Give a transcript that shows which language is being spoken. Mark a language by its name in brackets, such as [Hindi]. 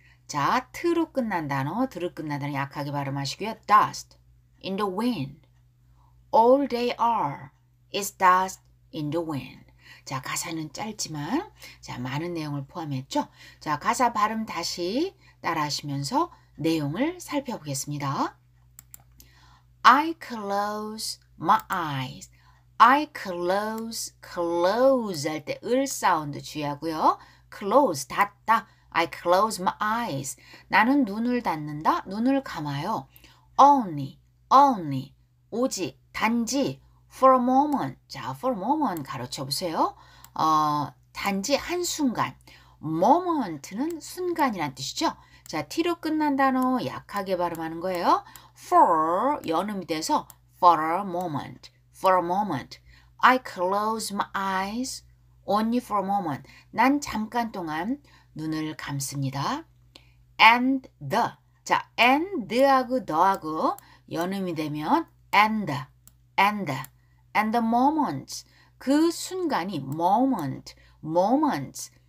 [Korean] 자, 트로 끝난 단어, 드로 끝난 단어 약하게 발음하시고요. [English] Dust in the wind. All they are is dust in the wind. [Korean] 자, 가사는 짧지만, 자, 많은 내용을 포함했죠. 자, 가사 발음 다시 따라하시면서 내용을 살펴보겠습니다. [English] I close my eyes. I close [Korean] 할때을 사운드 주의하고요. [English] Close [Korean] 닫다. [English] I close my eyes. [Korean] 나는 눈을 닫는다. 눈을 감아요. [English] Only [Korean] 오직 단지 [English] for a moment. [Korean] 자, [English] for a moment [Korean] 가르쳐 보세요. 단지 한 순간. Moment는 순간이란 뜻이죠. 자, T로 끝난 단어 약하게 발음하는 거예요. [English] For [Korean] 연음이 돼서 [English] for a moment. I close my eyes only for a moment. [Korean] 난 잠깐 동안 눈을 감습니다. [English] And the. [Korean] 자, and하고 the하고 연음이 되면 [English] and the moment. [Korean] 그 순간이 moments.